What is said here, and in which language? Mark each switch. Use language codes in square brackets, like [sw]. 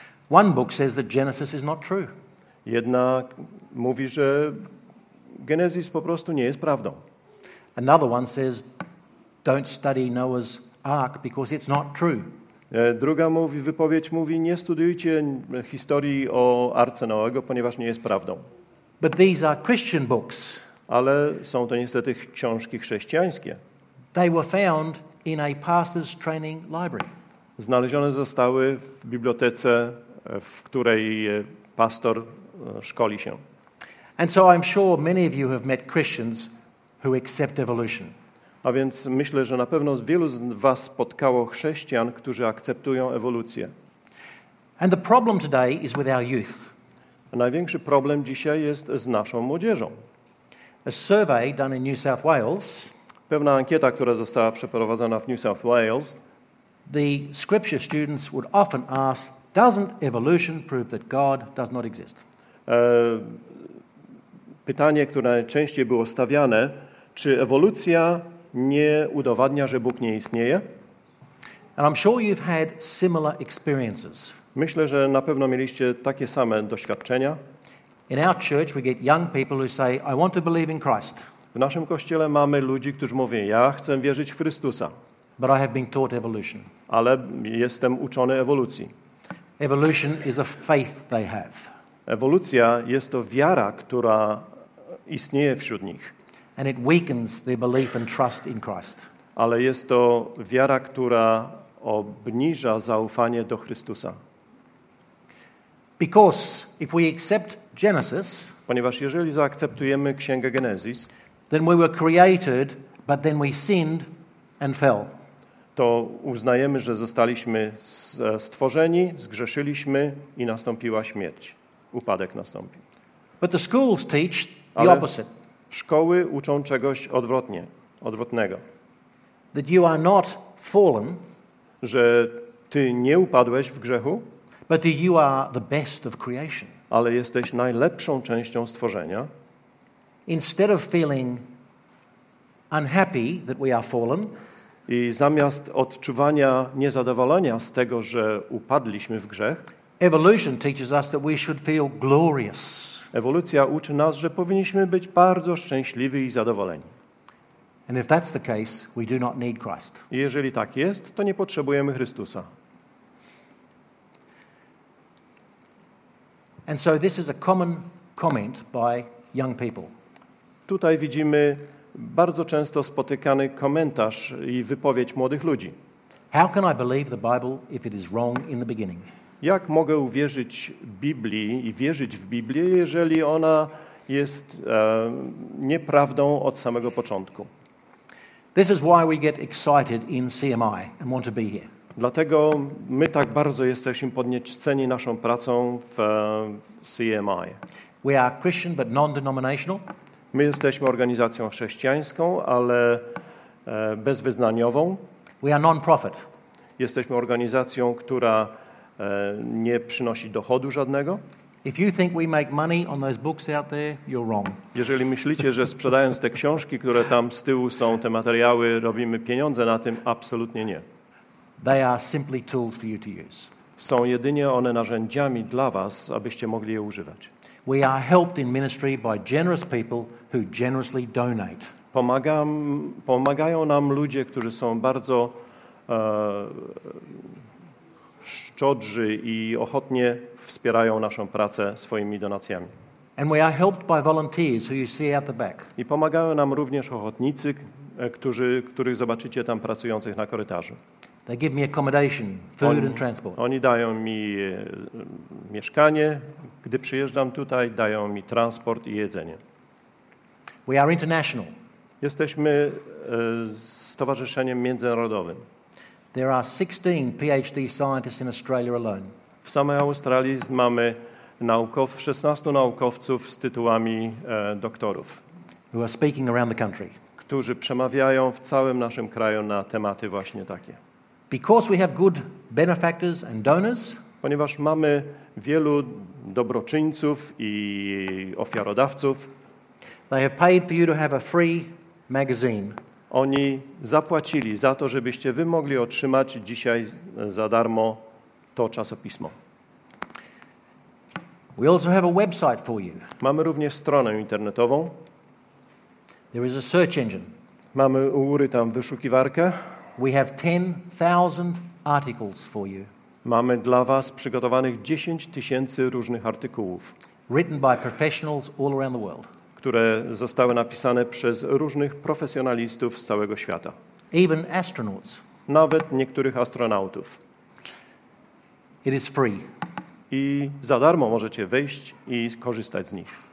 [en] One book says that Genesis is not true. [pl] Jedna mówi, że Genesis po prostu nie jest prawdą. [en] Another one says, don't study Noah's ark because it's not true. [pl] Druga wypowiedź mówi, nie studiujcie historii o Arce Noego, ponieważ nie jest prawdą. [en] But these are Christian books. [pl] Ale są to niestety książki chrześcijańskie. [en] They were found in a pastor's training library. [pl] Znalezione zostały w bibliotece, w której pastor szkoli się. [en] And so I'm sure many of you have met Christians who accept evolution. [pl] A więc myślę, że na pewno wielu z was spotkało chrześcijan, którzy akceptują ewolucję. [en] And the problem today is with our youth. [pl] A największy problem dzisiaj jest z naszą młodzieżą. [en] A survey done in New South Wales. [pl] Pewna ankieta, która została przeprowadzona w New South Wales. [en] The scripture students would often ask, doesn't evolution prove that God does not exist? [pl] Pytanie, które najczęściej było stawiane, czy ewolucja nie udowadnia, że Bóg nie istnieje? [en] And I'm sure you've had similar experiences. [pl] Myślę, że na pewno mieliście takie same doświadczenia. [en] In our church we get young people who say I want to believe in Christ. [pl] W naszym kościele mamy ludzi, którzy mówią ja chcę wierzyć w Chrystusa. [en] But I have been taught evolution. [pl] Ale jestem uczony ewolucji. [en] Evolution is a faith they have. [pl] Ewolucja jest to wiara, która istnieje wśród nich. [en] And it weakens their belief and trust in Christ. [pl] Ale jest to wiara, która obniża zaufanie do Chrystusa. [en] Because if we accept Genesis, [pl] ponieważ jeżeli zaakceptujemy księgę Genesis, [en] then we were created, but then we sinned and fell. [pl] To uznajemy, że zostaliśmy stworzeni, zgrzeszyliśmy i nastąpiła śmierć. Upadek nastąpił. [en] But the schools teach the opposite. [pl] Szkoły uczą czegoś odwrotnego. [en] That you are not fallen, [pl] że ty nie upadłeś w grzechu, [en] but that you are the best of creation. [pl] Ale jesteś najlepszą częścią stworzenia. [en] Instead of feeling unhappy that we are fallen, [pl] i zamiast odczuwania niezadowolenia z tego, że upadliśmy w grzech, [en] evolution teaches us that we should feel glorious. [pl] Ewolucja uczy nas, że powinniśmy być bardzo szczęśliwi i zadowoleni. [en] And if that's the case, we do not need Christ. [pl] I jeżeli tak jest, to nie potrzebujemy Chrystusa. [en] And so this is a common comment by young people. [pl] Tutaj widzimy bardzo często spotykany komentarz i wypowiedź młodych ludzi. [en] How can I believe the Bible if it is wrong in the beginning? [pl] Jak mogę uwierzyć Biblii i wierzyć w Biblię, jeżeli ona jest nieprawdą od samego początku? [en] This is why we get excited in CMI and want to be here. [pl] Dlatego my tak bardzo jesteśmy podnieceni naszą pracą w CMI. [en] We are Christian but non-denominational. [pl] My jesteśmy organizacją chrześcijańską, ale bezwyznaniową. [en] We are non-profit. [pl] Jesteśmy organizacją, która nie przynosi dochodu żadnego. [en] If you think we make money on those books out there, you're wrong. [pl] Jeżeli myślicie, że sprzedając te książki, które tam z tyłu są, te materiały, robimy pieniądze na tym, absolutnie nie. [en] They are simply tools for you to use. [pl] Są jedynie one narzędziami dla was, abyście mogli je używać. [en] We are helped in ministry by generous people who generously donate. [pl] Pomagają nam ludzie, którzy są bardzo szczodrzy i ochotnie wspierają naszą pracę swoimi donacjami. [en] And we are helped by volunteers who you see at the back. [pl] I pomagają nam również ochotnicy, których zobaczycie tam pracujących na korytarzu. [en] They give me accommodation, food and transport. [pl] Oni dają mi mieszkanie, gdy przyjeżdżam tutaj, dają mi transport i jedzenie. [en] We are international. [pl] Jesteśmy stowarzyszeniem międzynarodowym. [en] There are 16 PhD scientists in Australia alone. [pl] W samej Australii mamy 16 naukowców z tytułami doktorów. [en] Who are speaking around the country. [pl] Którzy przemawiają w całym naszym kraju na tematy właśnie takie. [en] Because we have good benefactors and donors. [pl] Ponieważ mamy wielu dobroczyńców i ofiarodawców. [en] They have paid for you to have a free magazine. [pl] Oni zapłacili za to, żebyście wy mogli otrzymać dzisiaj za darmo to czasopismo. [en] We also have a website for you. [pl] Mamy również stronę internetową. [en] There is a search engine. [pl] Mamy u góry tam wyszukiwarkę. [en] We have 10,000 articles for you. [pl] Mamy dla was przygotowanych 10 tysięcy różnych artykułów. [en] Written by professionals all around the world. [pl] Które zostały napisane przez różnych profesjonalistów z całego świata. [en] Even astronauts. [pl] Nawet niektórych astronautów. [en] It is free. [pl] I za darmo możecie wejść i korzystać z nich.